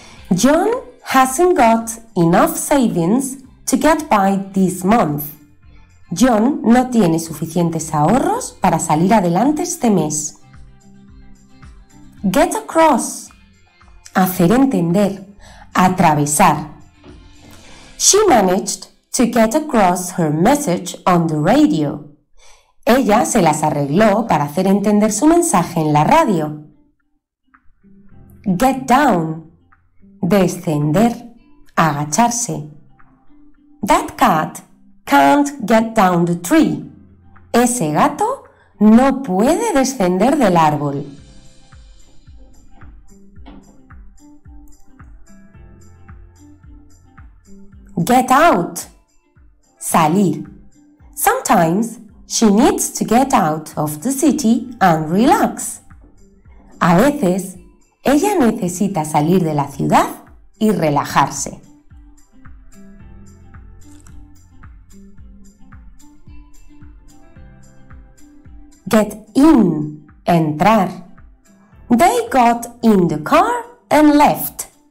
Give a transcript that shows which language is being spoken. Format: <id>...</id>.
<en>John hasn't got enough savings to get by this month.</en> <es>John no tiene suficientes ahorros para salir adelante este mes.</es> <en>Get across.</en> <es>Hacer entender. Atravesar.</es> <en>She managed to get across her message on the radio.</en> <es>Ella se las arregló para hacer entender su mensaje en la radio.</es> <en>Get down.</en> <es>Descender. Agacharse.</es> <en>That cat can't get down the tree.</en> <es>Ese gato no puede descender del árbol.</es> <en>Get out.</en> <es>Salir.</es> <en>Sometimes she needs to get out of the city and relax.</en> <es>A veces ella necesita salir de la ciudad y relajarse.</es> <en>Get in,</en> <es>entrar.</es> <en>They got in the car and left.</en>